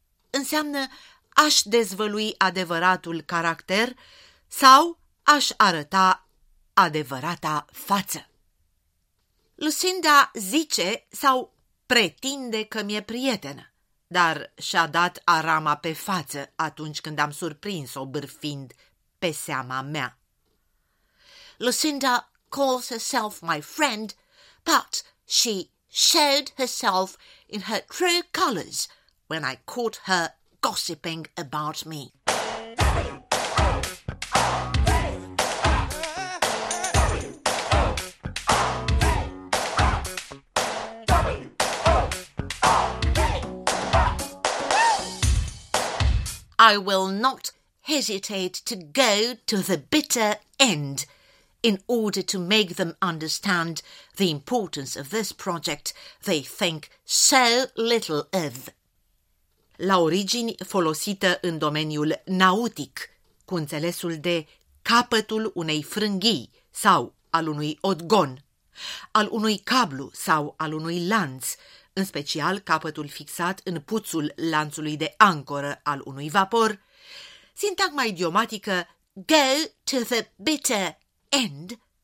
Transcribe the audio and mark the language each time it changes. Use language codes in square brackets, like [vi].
[ro] înseamnă aș dezvălui adevăratul caracter sau aș arăta adevărata față. Lucinda zice sau pretinde că mi-e prietenă, dar și-a dat arama pe față atunci când am surprins-o bârfind pe seama mea. [en] Lucinda calls herself my friend, but she showed herself in her true colours when I caught her gossiping about me. I will not hesitate to go to the bitter end in order to make them understand the importance of this project they think so little of. [ro] La origini folosită în domeniul nautic, cu înțelesul de capătul unei frânghii sau al unui odgon, al unui cablu sau al unui lanț, în special capătul fixat în puțul lanțului de ancoră al unui vapor, sintagma idiomatică go to the bitter end